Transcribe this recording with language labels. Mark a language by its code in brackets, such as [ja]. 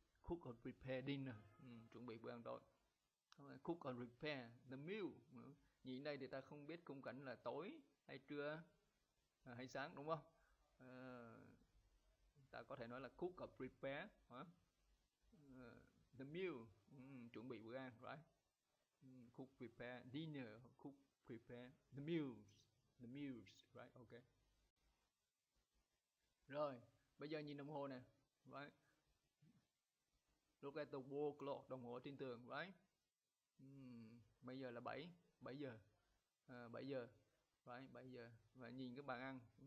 [en] Cook or prepare dinner, [vi] chuẩn bị bữa ăn tối. [en] Cook or prepare the meal. [vi] Nhìn đây thì ta không biết khung cảnh là tối hay trưa hay sáng, đúng không? Ta có thể nói là [en] cook or prepare the meal, [vi] chuẩn bị bữa ăn, [en] right? Cook prepare dinner, cook prepare the meals, right? Okay. [vi] Rồi, bây giờ nhìn đồng hồ nè, [en] right? Look at the wall clock, [vi] đồng hồ trên tường, right? Bây giờ là 7 giờ, 7 giờ, [en] right? [vi] 7 giờ. Và nhìn cái bàn ăn,